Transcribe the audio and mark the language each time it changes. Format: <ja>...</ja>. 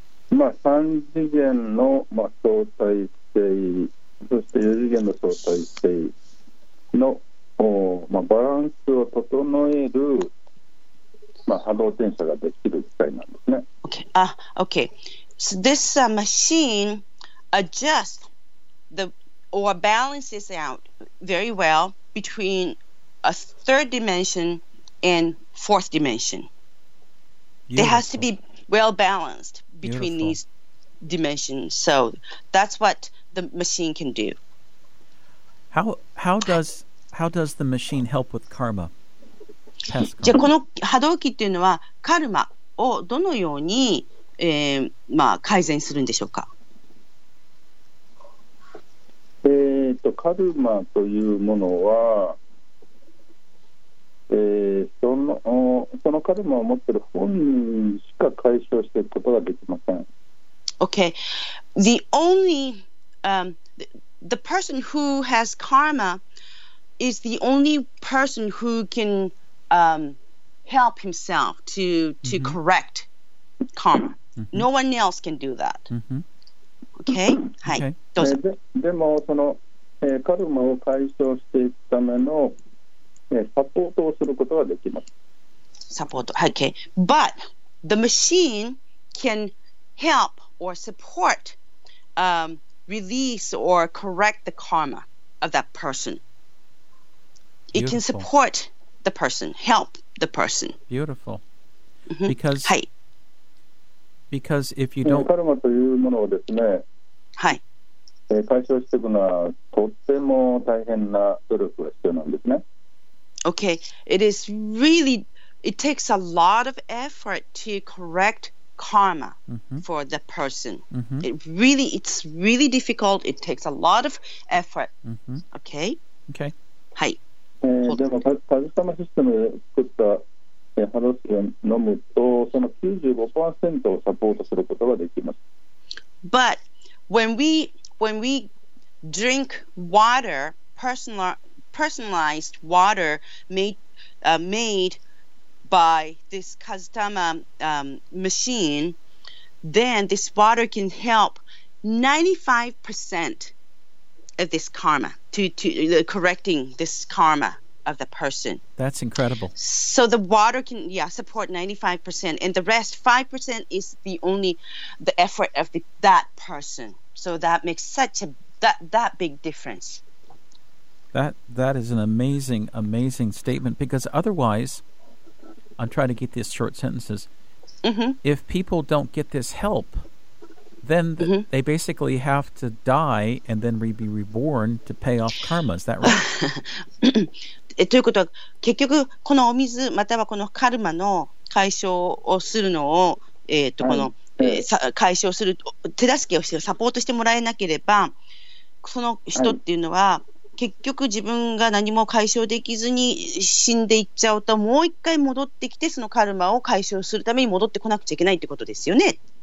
<ja>まあ、3次元の、まあ、相対性、そして4次元の相対性の、まあ、バランスを整える、まあ、波動転写ができる機械なんですね。</ja> <en>Okay. So this machine adjusts the, or balances out very well between a third dimension and fourth dimension. Beautiful. There has to be well balanced between these dimensions. So that's what the machine can do. How does the machine help with karma?</en> <ja>じゃあこの波動機っていうのはカルマをどのように、まあ、改善するんでしょうか。カルマというものは、そのカルマを持っている本人しか解消していくことができません。</ja> <en>Okay. The only, the person who has karma is the only person who can, help himself to correct karma. No one else can do that. Okay?</en> <ja>はい。どうぞ。でも、その、カルマを解消していくための、サポートをすることができます。サポート。はい。</ja> <en>Okay. But the machine can help or support, release or correct the karma of that person. It Beautiful. Can support the person, help the person. Beautiful. Mm-hmm. Because,</en> <ja>はい。</ja> <en>Because if you don't...</en> <ja>カルマというものをですね、はい。解消していくのはとっても大変な努力が必要なんですね。</ja> <en>Okay, it is really, it takes a lot of effort to correct karma for the person. Mm-hmm. It really, it's really difficult. It takes a lot of effort. Mm-hmm. Okay? Okay.</en> <ja>はい。でも、カズサマシステムで作った、ハロスを飲むと、その 95% をサポートすることができます。</ja> <en>But when we drink water, personalized water made by this Kazutama machine, then this water can help 95% of this karma to correcting this karma of the person. That's incredible. So the water can support 95%, and the rest 5% is the only the effort of the, that person. So that makes such a that big difference. That is an amazing statement, because otherwise, I'm trying to get these short sentences. Mm-hmm. If people don't get this help, then they basically have to die and then be reborn to pay off karma. Is that right?</en> <ja>ということは、結局このお水またはこのカルマの解消をするのを、この、解消する手助けをしてサポートしてもらえなければ、その人っていうのは結局自分が何も解消できずに死んでいっちゃうと、もう一回戻ってきてそのカルマを解消するために戻ってこなくちゃいけないってことですよね。</ja>